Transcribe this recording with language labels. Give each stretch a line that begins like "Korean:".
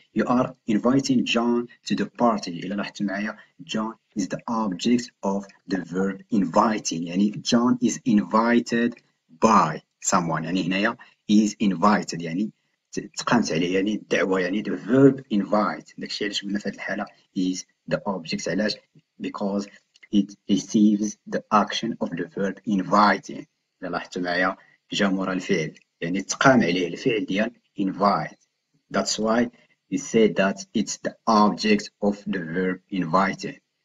English: You are inviting John to the party.
Arabic: إلا لاحظتوا معايا
English: John is the object of the verb inviting. يعني John is invited by someone.
Arabic: يعني هنايا is invited يعني تقامت عليه. يعني الدعوة يعني the verb invite. داكشي علاش قلنا في هذه الحالة
English: is the object. علاش؟ because it receives the action of the verb inviting.
Arabic: إذا لاحظتوا معايا جا مورا الفعل يعني تقام عليه الفعل ديال invite.
English: That's why we say that it's the object of the verb inviting.